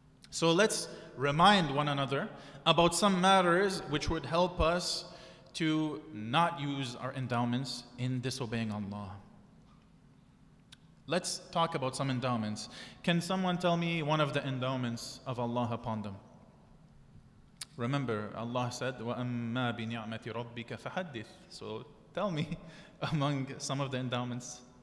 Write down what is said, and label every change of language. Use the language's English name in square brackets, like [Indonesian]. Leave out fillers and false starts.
[English] So let's remind one another about some matters which would help us to not use our endowments in disobeying Allah. Let's talk about some endowments. Can someone tell me one of the endowments of Allah upon them? Remember, Allah said, [Arabic] وَأَمَّا بِنِعْمَةِ رَبِّكَ فَحَدِّثْ. [English] So tell me among some of the endowments.